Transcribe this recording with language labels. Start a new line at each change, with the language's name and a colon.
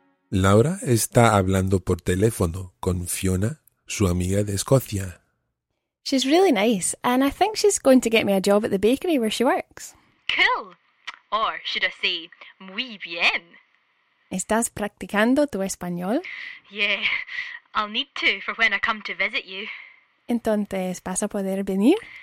Spanish: Laura está hablando por teléfono con Fiona, su amiga de Escocia.
English: She's really nice, and I think she's going to get me a job at the bakery where she works. Cool! Or should I say,
Spanish: muy bien. ¿Estás practicando tu español?
English: Yeah, I'll need to for when I come to visit you.
Spanish: ¿Entonces vas a poder venir?